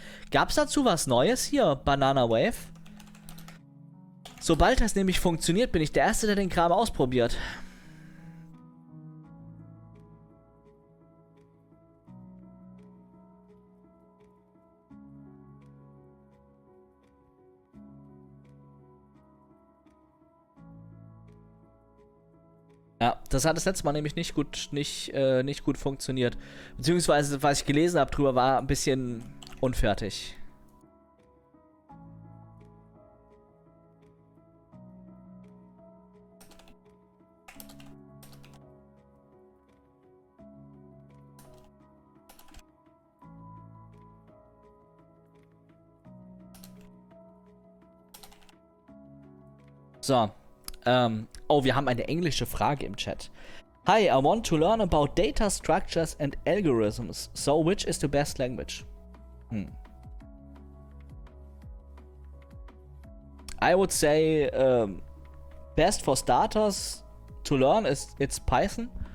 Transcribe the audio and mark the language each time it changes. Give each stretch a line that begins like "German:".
German: Gab's dazu was Neues hier, Banana Wave? Sobald das nämlich funktioniert, bin ich der Erste, der den Kram ausprobiert. Ja, das hat das letzte Mal nämlich nicht gut funktioniert. Beziehungsweise, was ich gelesen habe drüber, war ein bisschen unfertig. So. Oh, wir haben eine englische Frage im Chat.
English: Hi, I want to learn about data structures and algorithms. So, which is the best language? I would say best for starters to learn is it's Python.